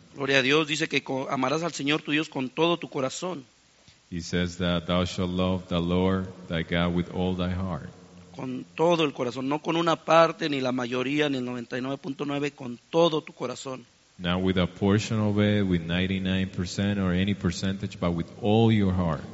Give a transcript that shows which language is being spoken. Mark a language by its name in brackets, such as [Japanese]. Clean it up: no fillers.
[Spanish] Gloria a Dios, dice que amarás al Señor tu Dios con todo tu corazón. [English] He says that thou shalt love the Lord thy God with all thy heart. [Spanish] Con todo el corazón, no con una parte, ni la mayoría, ni el 99.9, con todo tu corazón. [English] Not with a portion of it, with 99% or any percentage, but with all your heart.